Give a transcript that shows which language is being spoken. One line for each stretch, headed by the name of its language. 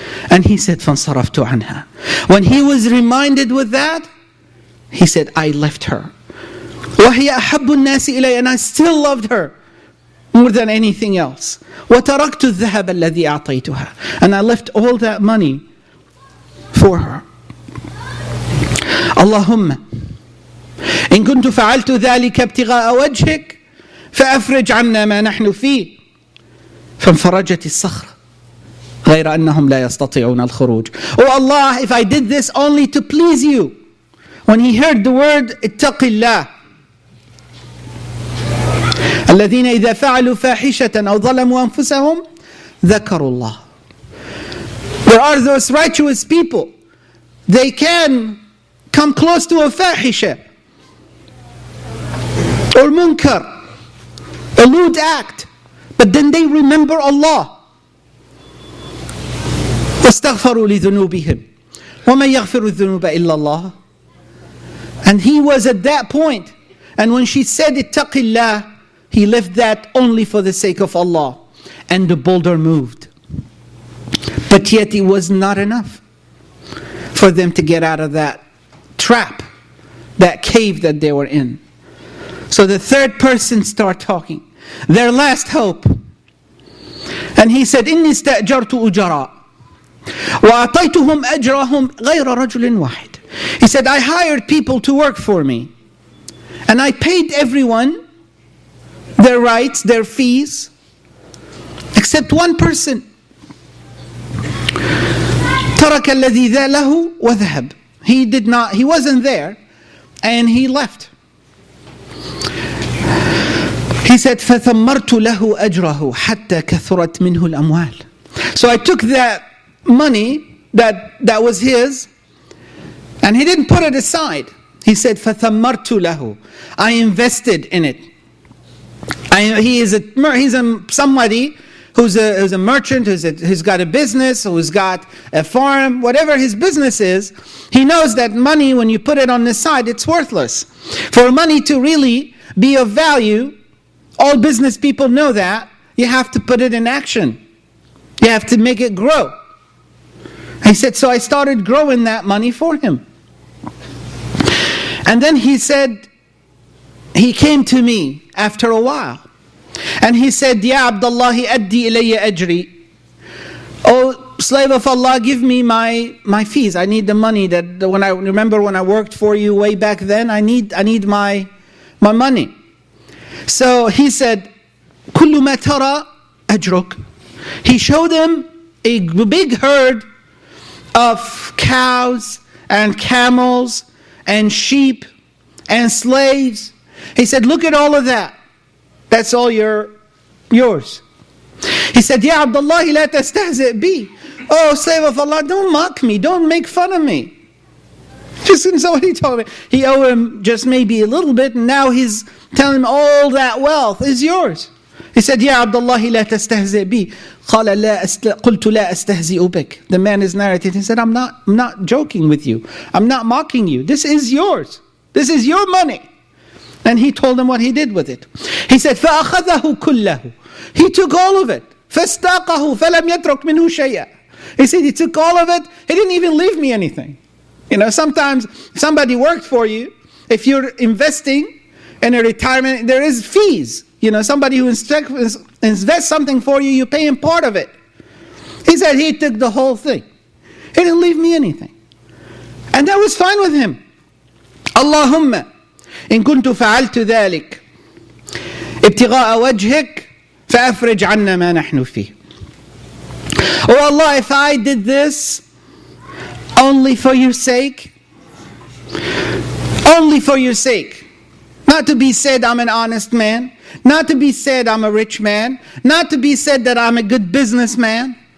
English: And he said,
Arabic: فانصرفت عنها.
English: When he was reminded with that, he said, I left her.
Arabic: وهي أحب الناس إلي,
English: and I still loved her more than anything else.
Arabic: وتركت الذهب الذي أعطيتها,
English: and I left all that money for her.
Arabic: اللهم إن كنت فعلت ذلك ابتغاء وجهك فأفرج عنا ما نحن فيه. فانفرجت الصخرة غير أنهم لا يستطيعون الخروج.
English: Oh Allah, if I did this only to please you. When he heard the word
Arabic: اتق الله, الذين إذا فعلوا فاحشة أو ظلموا أنفسهم ذكروا الله.
English: Where are those righteous people? They can come close to a فاحشة or منكر, a lewd act, but then they remember Allah.
Arabic: واستغفروا لذنوبهم ومن يغفر الذنوب إلا الله.
English: And he was at that point, and when she said
Arabic: اتق الله,
English: he left that only for the sake of Allah, and the boulder moved. But yet it was not enough for them to get out of that trap, that cave that they were in. So the third person start talking, their last hope, and he said,
Arabic: إني استأجرت أجراء وأعطيتهم أجرهم غير رجل واحد.
English: He said, I hired people to work for me, and I paid everyone their rights, their fees, except one person.
Arabic: ترك الذي ذا له وذهب.
English: He did not, he wasn't there, and he left. He said,
Arabic: فثمرت له أجره حتى كثرت منه الأموال.
English: So I took that money that was his, and he didn't put it aside. He said,
Arabic: فثمرت له.
English: I invested in it. He's somebody who's a merchant, who's got a business, who's got a farm, whatever his business is. He knows that money, when you put it on the side, it's worthless. For money to really be of value, all business people know that, you have to put it in action. You have to make it grow. He said, so I started growing that money for him. And then he said, he came to me after a while. And he said, Ya Abdullah,
Arabic: أدي إلي أجري.
English: Oh, slave of Allah, give me my fees. I need the money that when I remember when I worked for you way back then, I need my money. So he said,
Arabic: كل ما ترى أجرك.
English: He showed him a big herd of cows and camels and sheep and slaves. He said, look at all of that. That's all yours. He said,
Arabic: Ya Abdullah, la tastahzi' bi.
English: Oh, slave of Allah, don't mock me. Don't make fun of me. Listen to what he told me. He owed him just maybe a little bit, and now he's telling him all that wealth is yours. He said,
Arabic: Ya Abdullah, la tastahzi' bi. قال لا قلت لا استهزئ بك.
English: The man is narrated. He said, I'm not joking with you. I'm not mocking you. This is yours. This is your money. And he told him what he did with it. He said,
Arabic: فأخذه كله.
English: He took all of it.
Arabic: فاستاقه فلم يترك منه شيئا.
English: He said, he took all of it. He didn't even leave me anything. You know, sometimes somebody worked for you. If you're investing in a retirement, there is fees. You know, somebody who invests something for you, you pay him part of it. He said, he took the whole thing. He didn't leave me anything. And that was fine with him.
Arabic: Allahumma. إن كنت فعلت ذلك ابتغاء وجهك فأفرج عنا ما نحن فيه.
English: Oh Allah, if I did this only for your sake, only for your sake, not to be said I'm an honest man, Not to be said I'm a rich man. Not to be said that I'm a good businessman.